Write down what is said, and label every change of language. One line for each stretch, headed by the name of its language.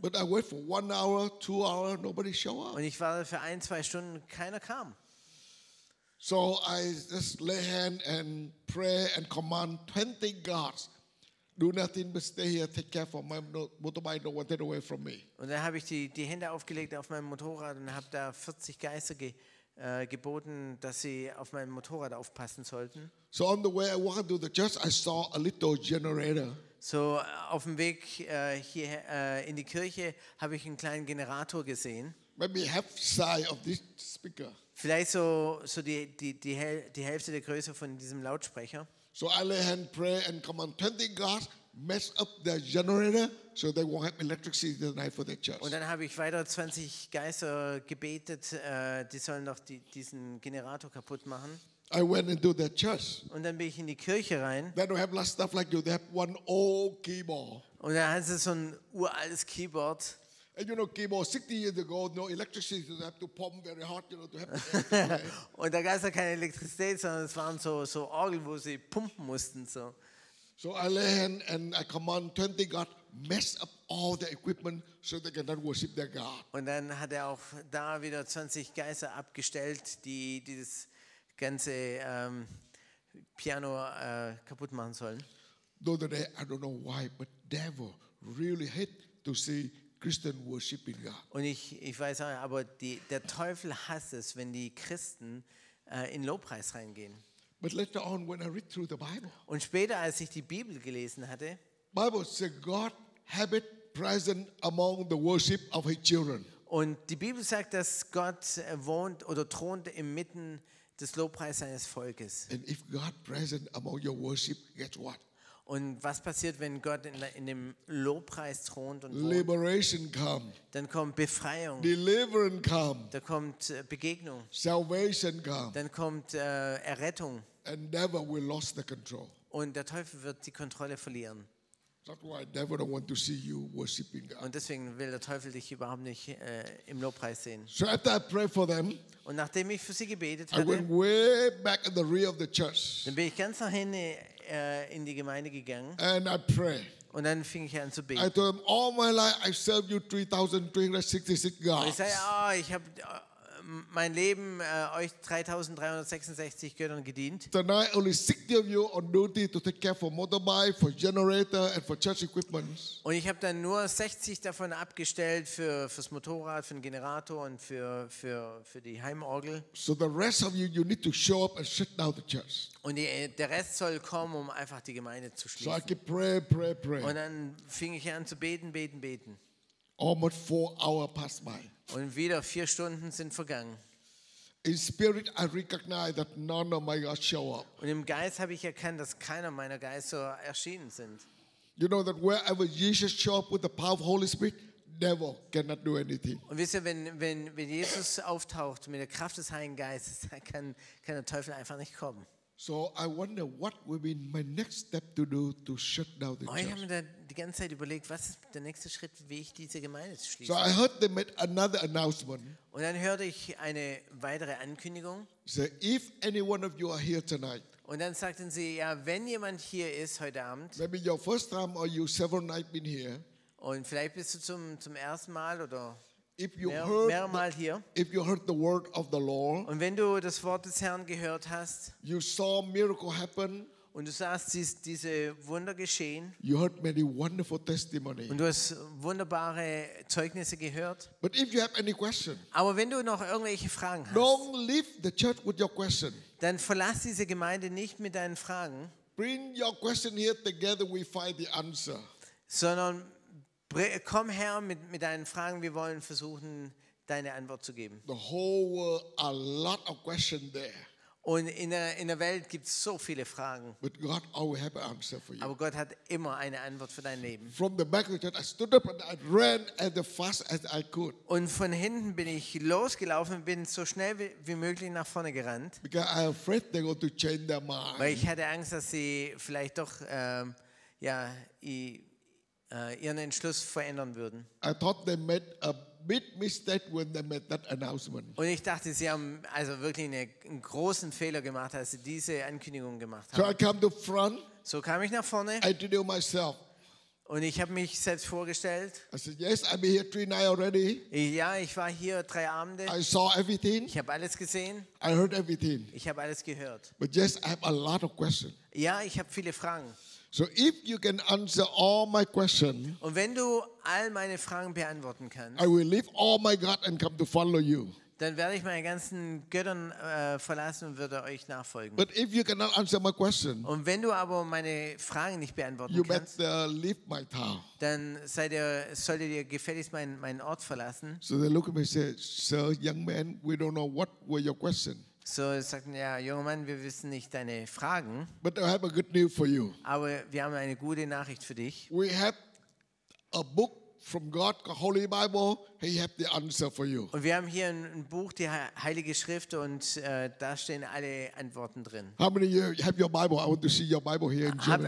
English: But I wait for 1 hour, 2 hours, nobody show up.
German: Und ich war für 1-2 Stunden, keiner kam.
English: So I just lay hand and pray and command 20 guards. Do nothing but stay here, take care for my motorbike, don't want it away from me.
German: Und dann habe ich die Hände aufgelegt auf meinem Motorrad und habe da 40 Geister geboten, dass sie auf meinem Motorrad aufpassen sollten.
English: So on the way I walked to the church, I saw a little generator.
German: So auf dem Weg hier in die Kirche habe ich einen kleinen Generator gesehen.
English: Maybe half size of this speaker.
German: Vielleicht so die Hälfte der Größe von diesem Lautsprecher.
English: So I lay hand pray and command 20 guards mess up their generator so they won't have electricity the night for their church.
German: Und dann habe ich weiter 20 Geister gebetet, die sollen doch diesen Generator kaputt machen.
English: I went into their church.
German: Und dann bin ich in die Kirche rein.
English: They don't have last stuff like you. They have one old keyboard.
German: Und dann hat sie so ein uraltes Keyboard.
English: And you know, keyboard 60 years ago, no electricity, you have to pump very hard, you know, to have.
German: Und da gab es keine Elektrizität, sondern es waren so Orgel, wo sie pumpen mussten so.
English: So I lay hand and I command 20 God mess up all the equipment so they cannot worship their God.
German: Und dann hat auch da wieder 20 Geister abgestellt, die dieses ganze Piano kaputt machen sollen.
English: The other day, I don't know why, but devil really hate to see Christian worshiping God.
German: Und ich weiß auch, aber der Teufel hasst es, wenn die Christen in Lobpreis reingehen.
English: But later on, when I read through the Bible,
German: und später, als ich die Bibel gelesen hatte,
English: Bible says God habit present among the worship of His children.
German: Und die Bibel sagt, dass Gott wohnt oder thront inmitten des Lobpreises seines Volkes.
English: And if God present among your worship, guess what?
German: Und was passiert, wenn Gott in dem Lobpreis thront und wohnt?
English: Liberation come.
German: Dann kommt Befreiung.
English: Deliverance come.
German: Da kommt Begegnung.
English: Salvation come.
German: Dann kommt Errettung.
English: And devil will lose the control.
German: Und der Teufel wird die Kontrolle verlieren.
English: That's why devil don't want to see you worshiping God.
German: Und deswegen will der Teufel dich überhaupt nicht im Lobpreis sehen.
English: So after I pray for them,
German: und nachdem ich für sie gebetet habe,
English: I went way back in the rear of the church.
German: Dann bin ich ganz nach hinten in die Gemeinde gegangen.
English: And I pray.
German: Und dann fing ich an zu beten.
English: I told them, all my life I served you 3,366 gods.
German: Ich sage, oh, ich habe mein Leben euch 3,366 Göttern gedient.
English: Tonight only 60 of you on duty to take care for motorbike, for generator and for church equipment.
German: Und ich habe dann nur 60 davon abgestellt fürs Motorrad, für den Generator und für die Heimorgel.
English: So the rest of you need to show up and shut down the church.
German: Und der Rest soll kommen, um einfach die Gemeinde zu schließen.
English: So I keep pray.
German: Und dann fing ich an zu beten.
English: Almost 4 hours passed by.
German: Und wieder 4 Stunden sind vergangen.
English: In spirit, I recognize that none of my God show up.
German: Und im Geist habe ich erkannt, dass keiner meiner Geister erschienen sind.
English: You know that wherever Jesus show up with the power of Holy Spirit, devil cannot do anything.
German: Und wisst ihr, wenn Jesus auftaucht mit der Kraft des Heiligen Geistes, kann der Teufel einfach nicht kommen.
English: So I wonder what will be my next step to do to shut down the church.
German: Ich habe mir die ganze Zeit überlegt, was ist der nächste Schritt, wie ich diese Gemeinde schließe.
English: So I heard them made another announcement.
German: Und dann hörte ich eine weitere Ankündigung.
English: So if any one of you are here tonight.
German: Und dann sagten sie, ja, wenn jemand hier ist heute Abend.
English: Maybe your first time or you several nights been here.
German: Und vielleicht bist du zum ersten Mal oder
English: if you heard
German: mehrmal hier.
English: If you heard the word of the Lord,
German: und wenn du das Wort des Herrn gehört hast,
English: you saw miracle happen,
German: und du sahst diese Wunder geschehen,
English: you heard many wonderful testimony,
German: und du hast wunderbare Zeugnisse gehört.
English: But if you have any question,
German: aber wenn du noch irgendwelche Fragen hast,
English: don't leave the church with your question.
German: Dann verlass diese Gemeinde nicht mit deinen Fragen.
English: Bring your question here, together we find the answer.
German: Sondern komm her mit deinen Fragen, wir wollen versuchen, deine Antwort zu geben.
English: The whole world, a lot of questions there.
German: Und in der Welt gibt es so viele Fragen.
English: But God always have an answer for you.
German: Aber Gott hat immer eine Antwort für dein Leben.
English: From the back of the church, I stood up and I ran as fast as I could.
German: Und von hinten bin ich losgelaufen, bin so schnell wie möglich nach vorne gerannt.
English: Because I'm afraid they're going to change their mind.
German: Weil ich hatte Angst, dass sie vielleicht doch ihren Entschluss verändern würden.
English: I thought they made a big mistake when they made that announcement.
German: Und ich dachte, sie haben also wirklich einen großen Fehler gemacht, als sie diese Ankündigung gemacht haben.
English: So I came to front.
German: So kam ich nach vorne.
English: I introduced myself.
German: Und ich habe mich selbst vorgestellt.
English: I said, yes, I've been here 3 nights already.
German: Ja, ich war hier 3 Abende.
English: I saw everything.
German: Ich habe alles gesehen.
English: I heard everything.
German: Ich habe alles gehört.
English: But yes, I have a lot of questions.
German: Ja, ich habe viele Fragen.
English: So if you can answer all my questions,
German: und wenn du all meine Fragen beantworten kannst,
English: I will leave all my God and come to follow you.
German: Dann werde ich meine ganzen Götter verlassen und würde euch nachfolgen.
English: But if you cannot answer my question,
German: und wenn du aber meine Fragen nicht beantworten
English: you
German: kannst,
English: better leave my town.
German: Dann solltet ihr gefälligst meinen Ort verlassen.
English: So they look at me and say, sir, young man, we don't know what were your questions.
German: So sagten, ja, junger Mann, wir wissen nicht deine Fragen.
English: But I have a good news for you.
German: Aber wir haben eine gute Nachricht für dich.
English: We have a book from God, the Holy Bible. He has the answer for you.
German: Und wir haben hier ein Buch, die Heilige Schrift, und da stehen alle Antworten drin.
English: How many of you have your Bible? I want to see your Bible here in Germany.